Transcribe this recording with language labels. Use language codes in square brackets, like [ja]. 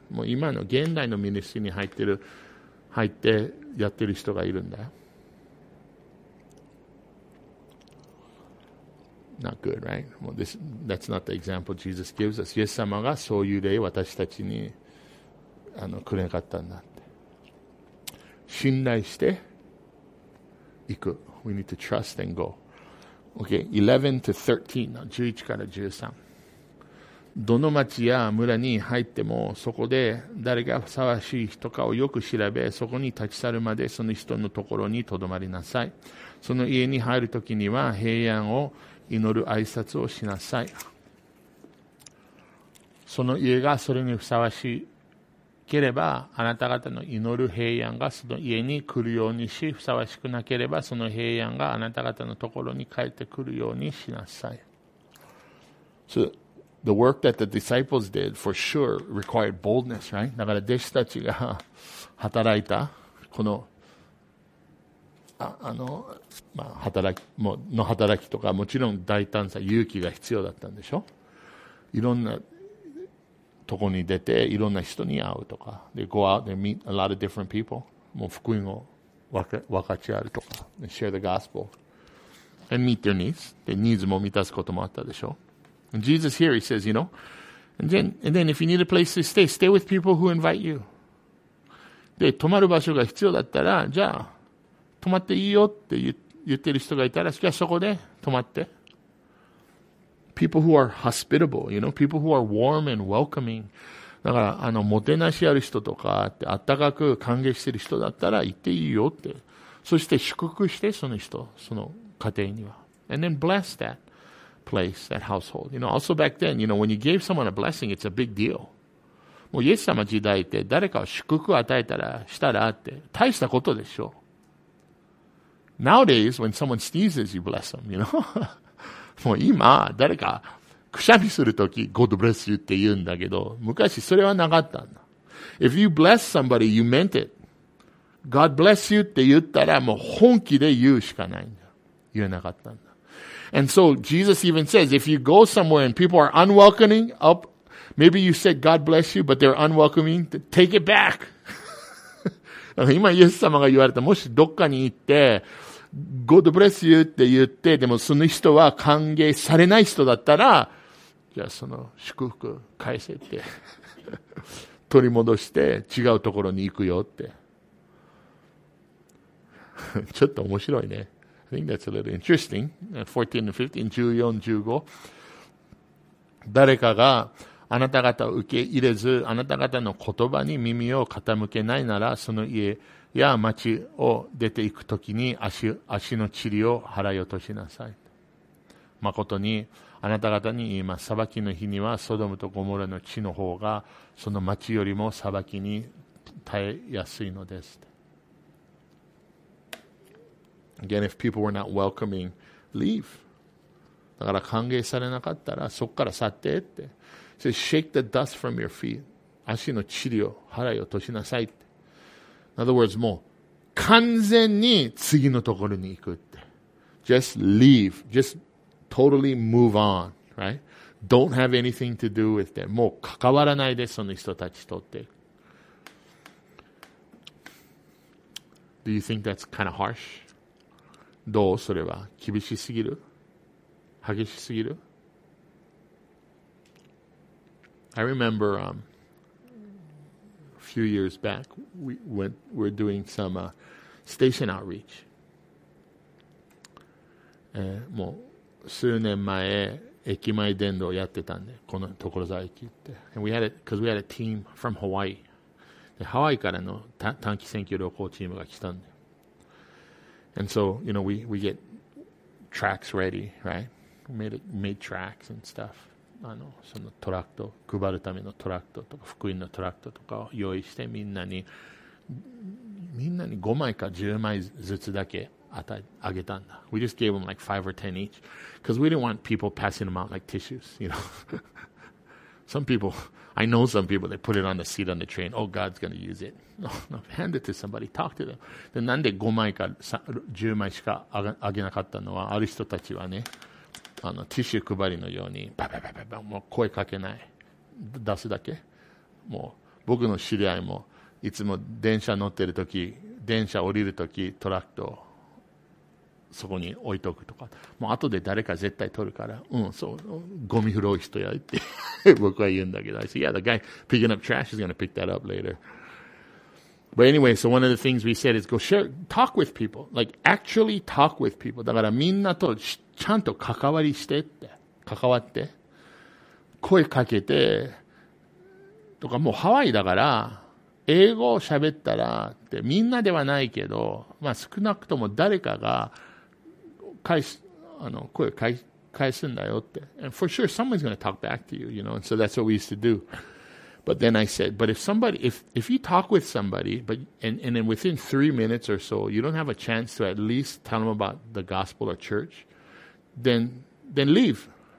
[ja] もう今の現代のミニストリーに入ってやってる人がいるんだ。 [en] Not good, right? Well, that's not the example Jesus gives us. [ja] イエス様がそういう例を私たちにくれなかったんだって。信頼して行く。 [en] We need to trust and go. Okay, 11 to 13, [ja] の11から13。どの町や村に入っても、そこで誰がふさわしい人かをよく調べ、そこに立ち去るまでその人のところに留まりなさい。その家に入るときには平安を祈る挨拶をしなさい。その家がそれにふさわしければ、あなた方の祈る平安がその家に来るようにし、ふさわしくなければ、その平安があなた方のところに帰ってくるようにしなさい。 [en] So, the work that the disciples did for sure required boldness, right? [ja] だから弟子たちが働いた、この、まあ、働きとか、もちろん大胆さ、勇気が必要だったんでしょ？いろんな、とこに出ていろんな人に会うとか、で [en] go out and meet a lot of different people、 [ja] もう福音を分かち合うとか、で [en] share the gospel and meet their needs、 [ja] でニーズも満たすこともあったでしょう。 [en] And Jesus here, he says, you know, and then if you need a place to stay, stay with people who invite you。 [ja] で泊まる場所が必要だったら、じゃあ泊まっていいよって言ってる人がいたら、じゃあそこで泊まって。 [en] people who are hospitable, you know, people who are warm and welcoming. [ja] だから、あの、もてなしある人とか、あったかく歓迎してる人だったら行っていいよって。そして祝福して、その人、その家庭には。 [en] And then bless that place, that household. You know, also back then, you know, when you gave someone a blessing, it's a big deal. [ja] もうイエス様時代って誰かを祝福を与えたら、したらって、大したことでしょ。 [en] Nowadays, when someone sneezes, you bless them, you know? [ja] もう今、誰か、くしゃみするとき、 [en] God bless you [ja] って言うんだけど、昔それはなかったんだ。 [en] If you bless somebody, you meant it. God bless you [ja] って言ったら、もう本気で言うしかないんだ。言えなかったんだ。 [en] And so, Jesus even says, if you go somewhere and people are unwelcoming, up, maybe you said God bless you, but they're unwelcoming, take it back! [ja] 今、イエス様が言われた、もしどっかに行って、 [en] God bless you [ja] って言って、でもその人は歓迎されない人だったら、じゃあその祝福返せって、取り戻して違うところに行くよって。ちょっと面白いね。 [en] I think that's a little interesting. 14 and 15, 14, 15. [ja] 誰かがあなた方を受け入れず、あなた方の言葉に耳を傾けないなら、その家、いや、町を出て行くときに足の塵を払い落としなさい。誠に、あなた方に言います。裁きの日には、ソドムとゴモラの地の方が、その町よりも裁きに耐えやすいのです。 [en] Again, if people were not welcoming, leave. [ja] だから歓迎されなかったら、そこから去ってって。 [en] So, shake the dust from your feet. [ja] 足の塵を払い落としなさい。 [en] In other words, [ja] もう完全に次のところに行くって。 [en] Just leave. Just totally move on. Right? Don't have anything to do with them. [ja] もう関わらないで、その人たちとって。 [en] Do you think that's kind of harsh? [ja] どう？それは。厳しすぎる？激しすぎる？ [en] I remember, few years back, we're doing some station outreach. [ja] もう数年前駅前伝道やってたんで、この所沢駅って。 [en] And we had it because we had a team from Hawaii. [ja] でハワイからの短期選挙旅行チームが来たんで。 [en] And so you know we get tracks ready, right? We made tracks and stuff. [ja] あのそのトラクト配るためのトラクトとか福音のトラクトとかを用意してみんなに5枚か10枚ずつだけあげたんだ。 [en] We just gave them like 5 or 10 each because we didn't want people passing them out like tissues, you know. Some people, I know some people, they put it on the seat on the train. Oh, God's going to use it. No, hand it to somebody, talk to them. [ja] でなんで5枚か10枚しかあげなかったのは、ある人たちはね、あのティッシュ配りのようにバババババ、もう声かけない、出すだけ。もう僕の知り合いもいつも電車乗ってるとき、電車降りるとき、トラックをそこに置いとくとか、もう後で誰か絶対取るから、うん、そう、ゴミ拾う人やって僕は言うんだけど、 [en] I say, yeah, the guy picking up trash is going to pick that up later. But anyway, so one of the things we said is go share, talk with people, like actually talk with people. [ja] だからみんなとちゃんと関わりしてって。関わって。声かけて。とか、もうハワイだから、英語を喋ったら、って、みんなではないけど、まあ少なくとも誰かが、返す、あの、声返すんだよって。 [en] And for sure, someone's gonna talk back to you, you know, and so that's what we used to do. But then I said, but if somebody, if you talk with somebody, but, and then within 3 minutes or so, you don't have a chance to at least tell them about the gospel or church,Then leave.